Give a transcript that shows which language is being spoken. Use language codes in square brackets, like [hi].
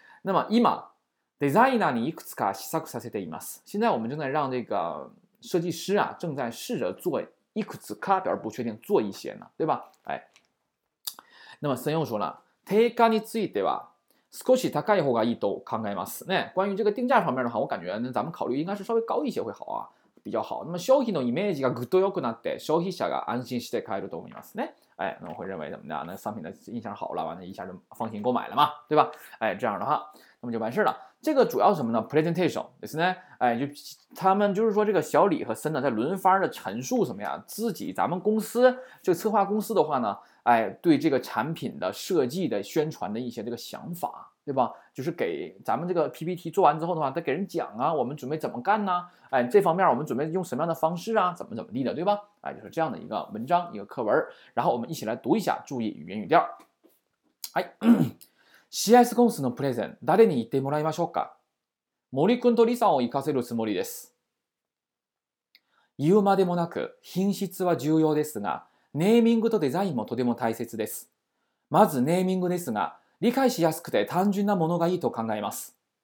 [ja] 那么今デザイナーにいくつか試作させています。 [zh] 现在我们正在让这个设计师啊，正在试着做 [ja] いくつか， [zh] 表示不确定，做一些呢，对吧？哎，那么森又说了， [ja] 定価については少し高い方がいいと考えます。 [zh] 那关于这个定价方面的话，我感觉呢咱们考虑应该是稍微高一些会好啊，比较好。那么 [ja] 商品のイメージがぐっと良くなって、消費者が安心して買えると思いますね。 [zh] 哎，那我会认为怎么的？那商品的印象好了，完了，一下就放心购买了嘛，对吧？哎，这样的话，那么就完事了。这个主要什么呢 ？presentation， 就是呢，哎，就他们就是说，这个小李和森呢，在轮番的陈述什么呀？自己咱们公司这个策划公司的话呢，哎，对这个产品的设计的宣传的一些这个想法，对吧？就是给咱们这个 PPT 做完之后的话，再给人讲啊，我们准备怎么干呢？哎，这方面我们准备用什么样的方式啊？怎么怎么地的，对吧？哎，就是这样的一个文章，一个课文。然后我们一起来读一下，注意语言语调。 [ja] 哎，CS コンスのプレゼン、誰に言ってもらいましょうか？森くんとリさんを行かせるつもりです。言うまでもなく、品質は重要ですが、ネーミングとデザインもとても大切です。まずネーミングですが、理解しやすくて単純なものがいいと考えます。